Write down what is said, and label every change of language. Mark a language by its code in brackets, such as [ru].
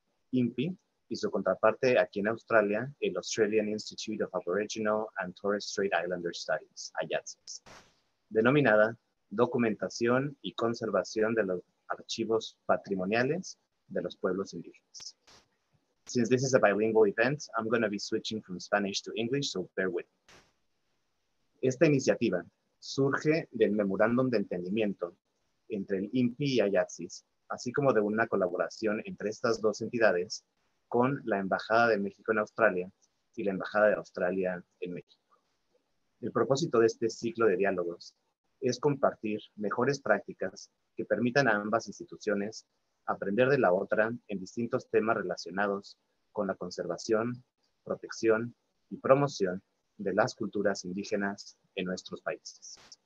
[es] IMPI, y su contraparte aquí en Australia, el Australian Institute of Aboriginal and Torres Strait Islander Studies, AIATSIS, denominada Documentación y Conservación de los Archivos Patrimoniales de los Pueblos Indígenas. [en] Since this is a bilingual event, I'm going to be switching from Spanish to English, so bear with me. [es] Esta iniciativa surge del memorándum de entendimiento entre el IMPI y AIATSIS, así como de una colaboración entre estas dos entidades con la Embajada de México en Australia y la Embajada de Australia en México. El propósito de este ciclo de diálogos es compartir mejores prácticas que permitan a ambas instituciones aprender de la otra en distintos temas relacionados con la conservación, protección y promoción de las culturas indígenas en nuestros países.